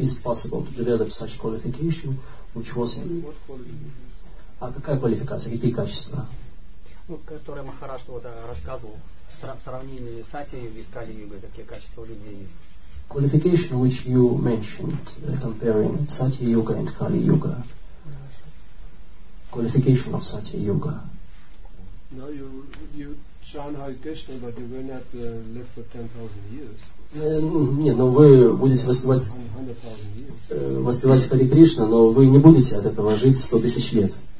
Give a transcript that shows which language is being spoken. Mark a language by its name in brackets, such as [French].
[English] Is it possible to develop such qualification which was in... What qualification? [Russian] А какая квалификация? Какие качества? Ну, которые Махарадж вот рассказывал в сравнении с Сатьей и Кали-югой, какие качества у людей есть. [English] Qualification which you mentioned comparing Satya Yuga and Kali Yuga. Qualification of Satya Yuga. No, you chant Hare Krishna, but you will not live for 10,000 years. [Russian] Нет, но вы будете воспевать Хари Кришна, но вы не будете от этого жить 100 тысяч лет.